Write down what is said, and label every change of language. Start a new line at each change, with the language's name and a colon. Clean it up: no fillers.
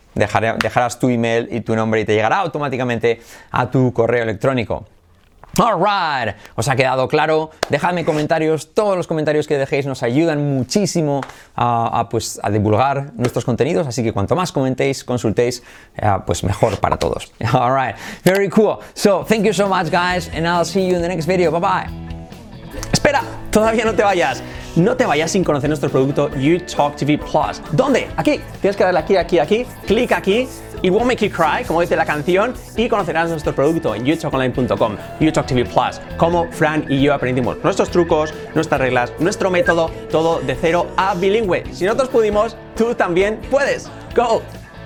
Spanish: Dejarás tu email y tu nombre y te llegará automáticamente a tu correo electrónico. Alright, ¿os ha quedado claro? Dejadme comentarios, todos los comentarios que dejéis nos ayudan muchísimo a divulgar nuestros contenidos, así que cuanto más comentéis, consultéis, pues mejor para todos.
English: Alright, very cool. So, thank you so much guys, and I'll see you in the next video. Bye bye.
Spanish: Espera, todavía no te vayas. No te vayas sin conocer nuestro producto YouTalkTV Plus. ¿Dónde? Aquí. Tienes que darle aquí, aquí, aquí. Clic aquí.
English: It won't make you cry,
Spanish: como dice la canción. Y conocerás nuestro producto en youtalkonline.com. YouTalkTV Plus. Cómo Fran y yo aprendimos nuestros trucos, nuestras reglas, nuestro método. Todo de cero a bilingüe. Si nosotros pudimos, tú también puedes. Go.